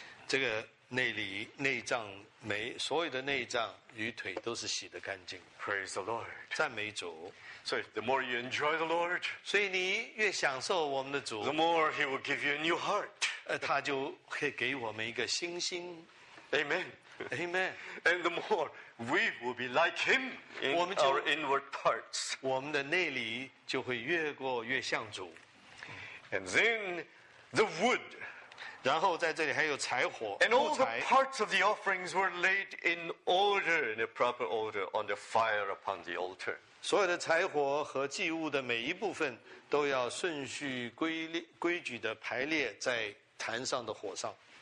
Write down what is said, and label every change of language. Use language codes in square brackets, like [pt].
[zh] 这个内里内脏每所有的内脏与腿都是洗得干净。 [en] Praise the Lord. [zh] 赞美主。 [en] So the more you enjoy the Lord, [zh] 所以你越享受我们的主 [en] ，the more He will give you a new heart. [zh] 他就会给我们一个新心。 [en] Amen. Amen. And the more. We will be like him in our inward parts. [zh] 我们的内里就会越过越像主。 [en] And then the wood. [zh] 然后在这里还有柴火。 [en] And all the parts of the offerings were laid in order, in a proper order, on the fire upon the altar. [zh] 所有的柴火和祭物的每一部分都要顺序规矩的排列在坛上的火上。